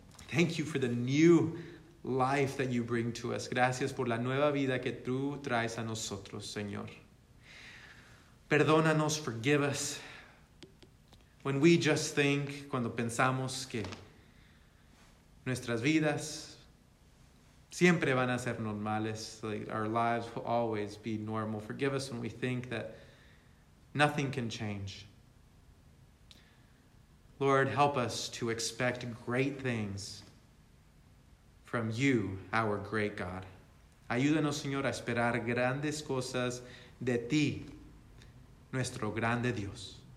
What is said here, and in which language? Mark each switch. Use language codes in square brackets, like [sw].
[en] Thank you for the new life that you bring to us. [es] Gracias por la nueva vida que tú traes a nosotros, Señor. [en] Perdónanos, forgive us. When we just think, [es] cuando pensamos que nuestras vidas siempre van a ser normales, [en] like our lives will always be normal. Forgive us when we think that nothing can change. Lord, help us to expect great things from you, our great God. [es] Ayúdanos, Señor, a esperar grandes cosas de ti, nuestro grande Dios.